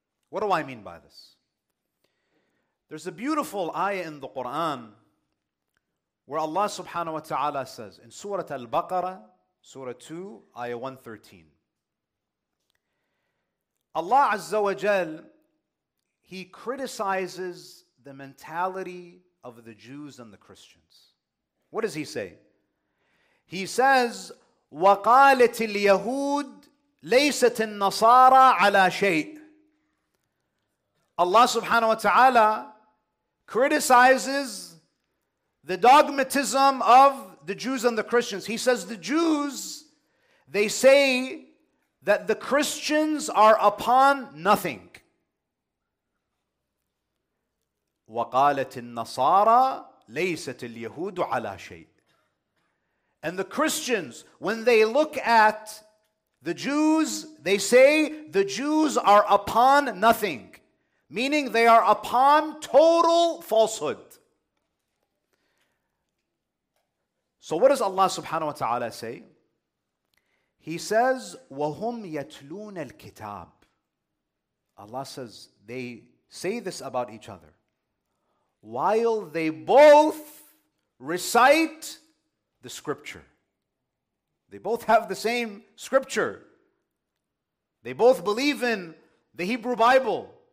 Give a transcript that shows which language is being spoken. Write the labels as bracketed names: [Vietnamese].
[English] What do I mean by this? There's a beautiful ayah in the Quran where Allah subhanahu wa ta'ala says in Surah Al-Baqarah, Surah 2, ayah 113. Allah Azza wa Jal, He criticizes the mentality of the Jews and the Christians. What does He say? He says, [Arabic] وَقَالَتِ الْيَهُودِ لَيْسَتِ النَّصَارَى عَلَى شَيْءٍ. [English] Allah subhanahu wa ta'ala criticizes the dogmatism of the Jews and the Christians. He says, the Jews, they say that the Christians are upon nothing. [Arabic] وَقَالَتِ النَّصَارَى لَيْسَتِ الْيَهُودُ عَلَى شَيْءٍ. [English] And the Christians, when they look at the Jews, they say the Jews are upon nothing, meaning they are upon total falsehood. So what does Allah subhanahu wa ta'ala say? He says, [Arabic] وَهُمْ يَتْلُونَ الْكِتَابِ. [English] Allah says, they say this about each other, while they both recite the scripture. They both have the same scripture. They both believe in the Hebrew Bible.